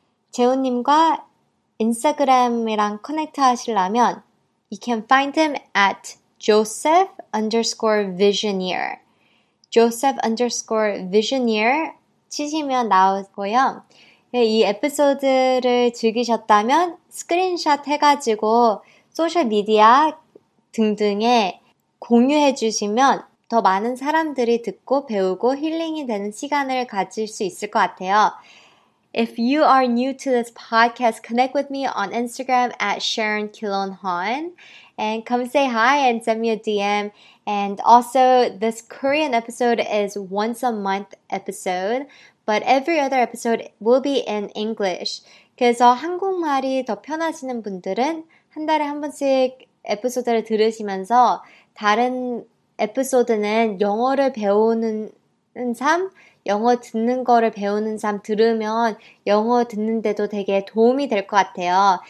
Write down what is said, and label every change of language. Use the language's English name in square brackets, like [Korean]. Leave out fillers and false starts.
[Korean] 재훈님과 인스타그램이랑 커넥트 하시려면 [English] You can find him at [Korean] joseph_visioneer joseph_visioneer 치시면 나오고요. 이 에피소드를 즐기셨다면 스크린샷 해가지고 소셜미디어 등등에 공유해 주시면 더 많은 사람들이 듣고 배우고 힐링이 되는 시간을 가질 수 있을 것 같아요. [English] If you are new to this podcast, connect with me on Instagram at Sharon Kilon Han and come say hi and send me a DM. And also, this Korean episode is once a month episode, but every other episode will be in English. [Korean] 그래서 한국말이 더 편하시는 분들은 한 달에 한 번씩 에피소드를 들으시면서 다른 에피소드는 영어를 배우는 삶, 영어 듣는 거를 배우는 삶 들으면 영어 듣는 데도 되게 도움이 될 것 같아요.